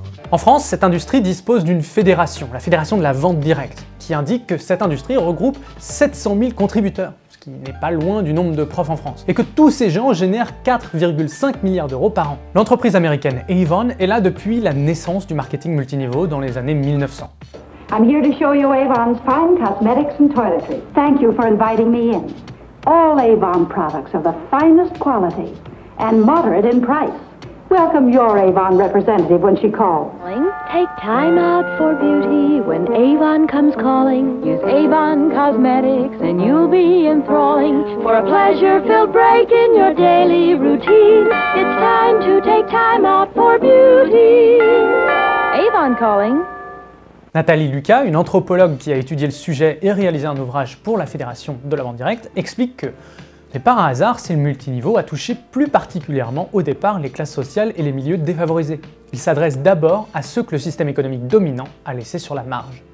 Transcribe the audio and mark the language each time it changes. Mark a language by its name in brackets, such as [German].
[French] En France, cette industrie dispose d'une fédération, la fédération de la vente directe, qui indique que cette industrie regroupe 700 000 contributeurs. Qui n'est pas loin du nombre de profs en France, et que tous ces gens génèrent 4,5 milliards d'euros par an. L'entreprise américaine Avon est là depuis la naissance du marketing multiniveau dans les années 1900. [English] I'm here to show you Avon's fine cosmetics and toiletry. Thank you for inviting me in. All Avon products of the finest quality and moderate in price. Welcome your Avon representative when she calls. Take time out for beauty when Avon comes calling. Use Avon Cosmetics and you'll be enthralling. For a pleasure-filled break in your daily routine. It's time to take time out for beauty. Avon calling. [French] Nathalie Lucas, une anthropologue qui a étudié le sujet et réalisé un ouvrage pour la Fédération de la Vente Directe, explique que mais par un hasard, c'est le multiniveau à toucher plus particulièrement au départ les classes sociales et les milieux défavorisés. Il s'adresse d'abord à ceux que le système économique dominant a laissé sur la marge.